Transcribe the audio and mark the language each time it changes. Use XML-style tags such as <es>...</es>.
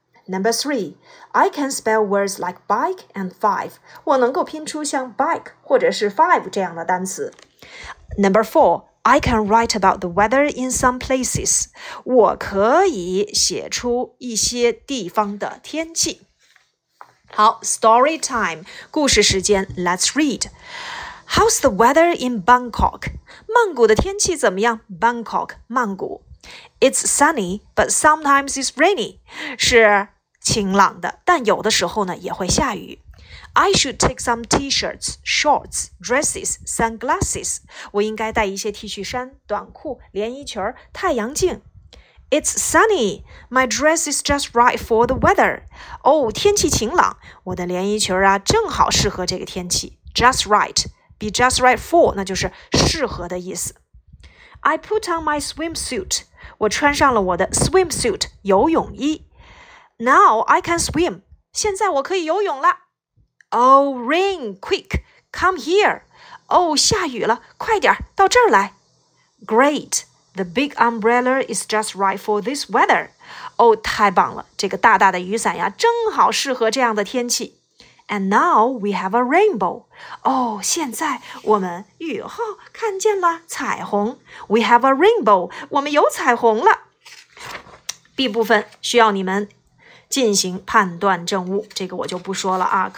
<en>Number three, I can spell words like bike and five.</en> <zh>我能够拼出像 bike 或者是 five 这样的单词。</zh> <en>Number four,I can write about the weather in some places.</en> <zh>我可以写出一些地方的天气。</zh> <en>好 ,story time,</en> <zh>故事时间</zh> <en>,let's read. How's the weather in Bangkok?</en> <zh>曼谷的天气怎么样</zh> <en>?Bangkok, 曼谷。 It's sunny, but sometimes it's rainy.</en> <zh>是晴朗的但有的时候呢也会下雨。</zh> <en>I should take some t-shirts, shorts, dresses, sunglasses.</en> <zh>我应该带一些 T 恤衫、短裤、连衣裙、太阳镜。</zh> <en>It's sunny. My dress is just right for the weather.</en> <zh>哦，天气晴朗，我的连衣裙啊，正好适合这个天气。</zh> <en>Just right. Be just right for,</en> <zh>那就是适合的意思。</zh> <en>I put on my swimsuit.</en> <zh>我穿上了我的</zh> <en>swimsuit,</en> <zh>游泳衣。</zh> <en>Now I can swim.</en> <zh>现在我可以游泳了。</zh> <en>Oh, rain, quick, come here.</en> <zh>Oh, 下雨了，快点到这儿来。</zh> <en>Great, the big umbrella is just right for this weather.</en> <zh>Oh, 太棒了，这个大大的雨伞呀，正好适合这样的天气。</zh> <en>And now we have a rainbow.</en> <zh>Oh, 现在我们雨后看见了彩虹。</zh> <en>We have a rainbow,</en> <zh>我们有彩虹了。B 部分需要你们进行判断证物，这个我就不说了啊。</zh>